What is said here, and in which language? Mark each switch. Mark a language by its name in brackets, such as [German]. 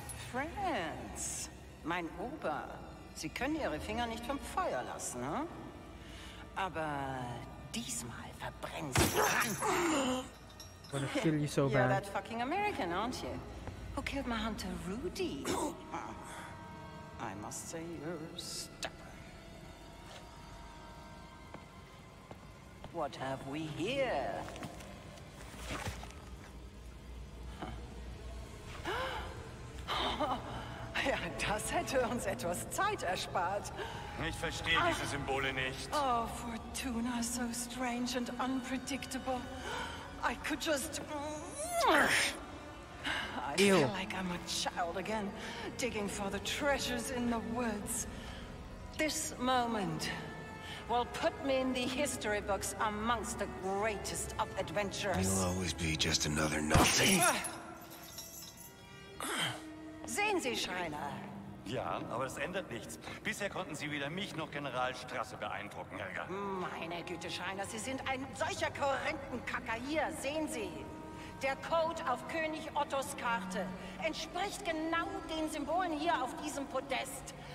[German] Friends, mein Opa, Sie können Ihre Finger nicht vom Feuer lassen, hm? Aber diesmal verbrennen sie. [English] I'm gonna kill you so bad. You're that fucking American, aren't you? Who killed my hunter, Rudy? I must say you're stubborn. What have we here? [German] Ja, das hätte uns etwas Zeit erspart. Ich verstehe diese Symbole nicht. [English] Oh, Fortuna, so strange and unpredictable. I could just... I feel like I'm a child again, digging for the treasures in the woods. This moment will put me in the history books amongst the greatest of adventurers. You'll always be just another Nazi. [German] Sehen Sie, Schreiner. Ja, aber es ändert nichts. Bisher konnten Sie weder mich noch General Strasse beeindrucken, Helga. Meine Güte, Schreiner, Sie sind ein solcher Korinthenkacker hier, sehen Sie. Der Code auf König Ottos Karte entspricht genau den Symbolen hier auf diesem Podest.